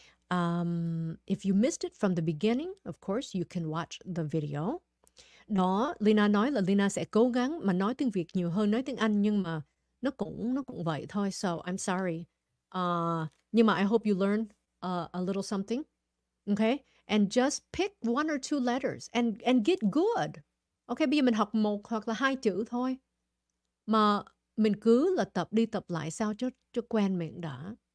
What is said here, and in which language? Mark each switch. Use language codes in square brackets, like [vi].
[en] If you missed it from the beginning, of course, you can watch the video. [vi] Đó, Lina nói là Lina sẽ cố gắng mà nói tiếng Việt nhiều hơn nói tiếng Anh, nhưng mà nó cũng vậy thôi. [en] So, I'm sorry. [vi] Nhưng mà [en] I hope you learn a little something. Okay? And just pick one or two letters and get good. [vi] Okay, bây giờ mình học một hoặc là hai chữ thôi. Mà mình cứ là tập đi tập lại sao cho quen miệng đã.